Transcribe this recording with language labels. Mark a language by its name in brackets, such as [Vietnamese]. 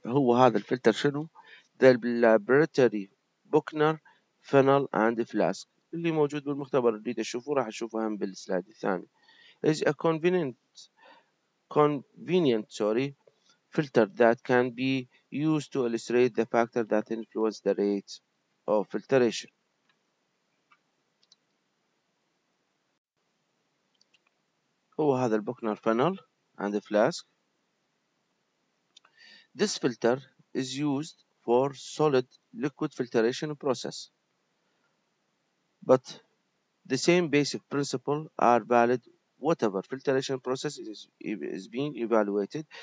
[Arabic] هو هذا الفلتر شنو؟ The laboratory بوكنر فنل اند فلاسك اللي موجود بالمختبر اللي تشوفوه راح اشوفه هم بالسلايد الثاني. [English] Is a convenient filter that can be used to illustrate the factor that influence the rate of filtration. [Arabic] هو هذا البوكنر فانل عند فلاسك. [English] This filter is used for solid liquid filtration process. But the same basic principle are valid whatever filtration process is being evaluated.